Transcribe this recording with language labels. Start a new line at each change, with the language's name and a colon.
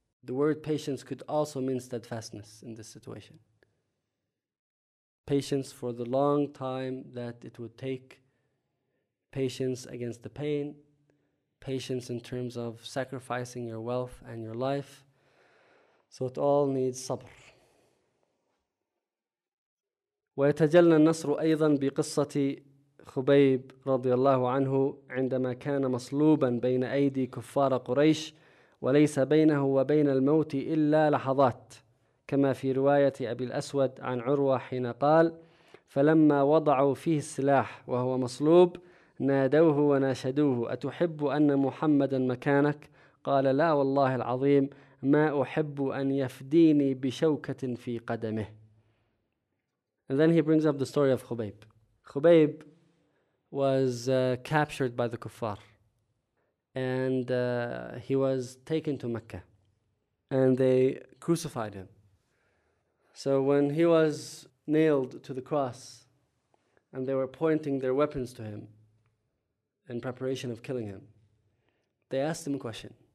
English: The word patience could also mean steadfastness in this situation. Patience for the long time that it would take. Patience against the pain. Patience in terms of sacrificing your wealth and your life. So it all needs sabr.
Arabic: ويتجلى النصر أيضا بقصة خبيب رضي الله عنه عندما كان مصلوبا بين أيدي كفار قريش وليس بينه وبين الموت إلا لحظات، كما في رواية أبي الأسود عن عروة حين قال: فلما وضعوا فيه السلاح وهو مصلوب نادوه وناشدوه: أتحب أن محمدا مكانك؟ قال: لا والله العظيم، ما أحب أن يفديني بشوكة في قدمه.
English: And then he brings up the story of Khubayb. Khubayb was captured by the Kuffar and he was taken to Mecca and they crucified him. So when he was nailed to the cross and they were pointing their weapons to him in preparation of killing him, they asked him a question.